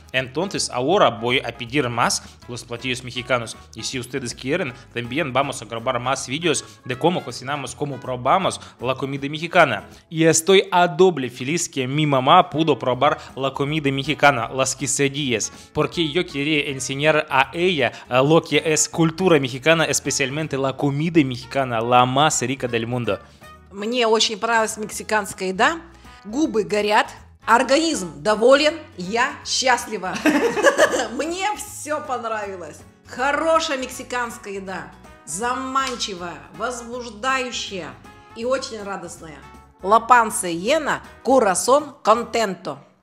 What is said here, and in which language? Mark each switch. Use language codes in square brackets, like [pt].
[es] Entonces ahora voy a pedir más los platillos mexicanos y si ustedes quieren, también vamos a grabar más videos de cómo cocinamos, cómo probamos la comida mexicana. Y estoy a doble feliz que mi mamá pudo probar la comida mexicana, las quesadillas, porque yo quería enseñar a ella lo que es cultura mexicana, especialmente la comida mexicana, la más rica del mundo. [ru] Мне очень понравилась мексиканская еда, губы горят, организм доволен, я счастлива. Мне все понравилось. Хорошая мексиканская еда, заманчивая, возбуждающая и очень радостная. [es] La panza llena, corazón contento.